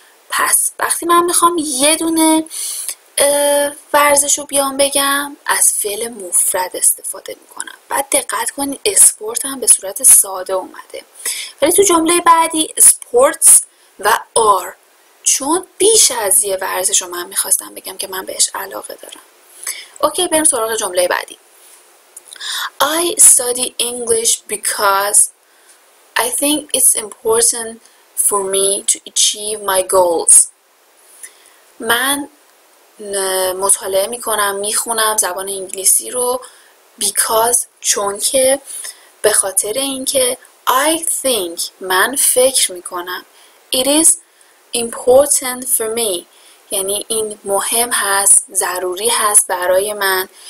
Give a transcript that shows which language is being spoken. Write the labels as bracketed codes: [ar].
[fa] پس وقتی من میخوام یه دونه ورزش رو بیام بگم از فعل مفرد استفاده میکنم. و بعد دقت کنید اسپورت هم به صورت ساده اومده. ولی تو جمله بعدی اسپورتس و آر، چون بیش از یه ورزش رو من میخواستم بگم که من بهش علاقه دارم. اوکی، بریم سراغ جمله بعدی. [en] I study English because I think it's important for me to achieve my goals. [fa] من مطالعه میکنم، میخونم زبان انگلیسی رو because، چون که، به خاطر اینکه. [en] I think، [fa] من فکر میکنم. [en] It is important for me، [fa] یعنی این مهم هست، ضروری هست برای من.